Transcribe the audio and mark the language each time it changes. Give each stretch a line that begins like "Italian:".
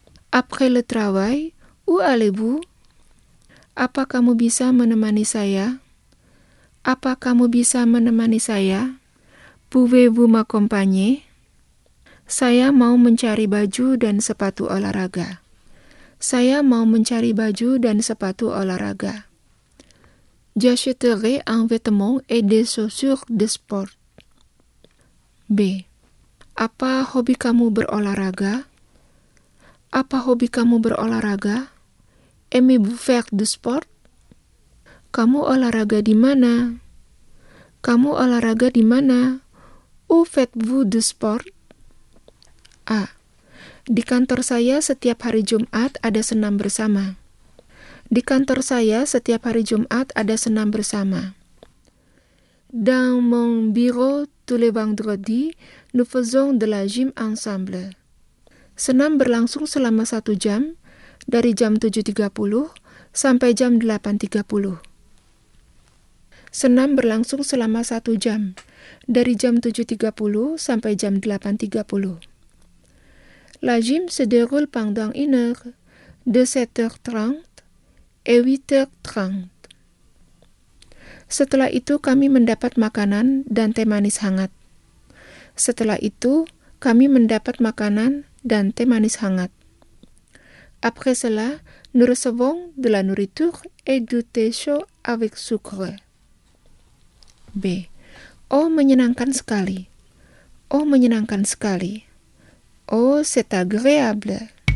French: Après le travail, où allez-vous?
Indonesian: Apa kamu bisa menemani saya? Apa kamu bisa menemani saya?
French: Pouvez-vous m'accompagner?
Indonesian: Saya mau mencari baju dan sepatu olahraga. Saya mau mencari baju dan sepatu olahraga.
French: J'achèterai un vêtement et des chaussures de sport. B.
Indonesian: Apa hobi kamu berolahraga? Apa hobi kamu berolahraga?
French: Aimez-vous faire du sport?
Indonesian: Kamu olahraga di mana? Kamu olahraga di mana?
French: Où faites-vous du sport? A.
Indonesian: Di kantor saya setiap hari Jumat ada senam bersama. Di kantor saya setiap hari Jumat ada senam bersama.
French: Dans mon bureau tous les vendredis, nous faisons de la gym ensemble.
Indonesian: Senam berlangsung selama 1 jam dari jam 7:30 sampai jam 8:30. Senam berlangsung selama 1 jam dari jam 7:30 sampai jam 8:30.
French: La gym se déroule pendant une heure, de 7h30 et 8h30.
Indonesian: Setelah itu kami mendapat makanan dan teh manis hangat. Setelah itu kami mendapat makanan dan teh manis hangat.
French: Après cela, nous recevons de la nourriture et du thé chaud avec sucre.
Indonesian: B. Oh, menyenangkan sekali. Oh, menyenangkan sekali.
French: Oh, c'est agréable.